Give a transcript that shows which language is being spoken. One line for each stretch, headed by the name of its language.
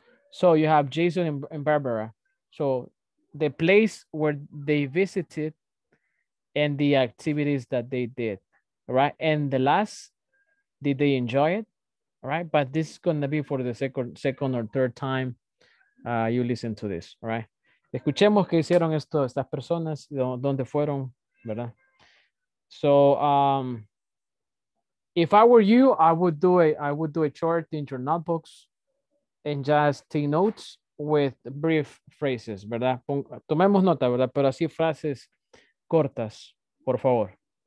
English: So you have Jason and Barbara. So the place where they visited and the activities that they did, right? And the last, did they enjoy it, right? But this is gonna be for the second or third time you listen to this, right?
Spanish: Escuchemos qué hicieron esto, estas personas, dónde fueron, ¿verdad?
English: So if I were you, I would do a chart in your notebooks and just take notes with brief phrases, ¿verdad?
Spanish: Tomemos nota, ¿verdad? Pero así frases cortas, por favor.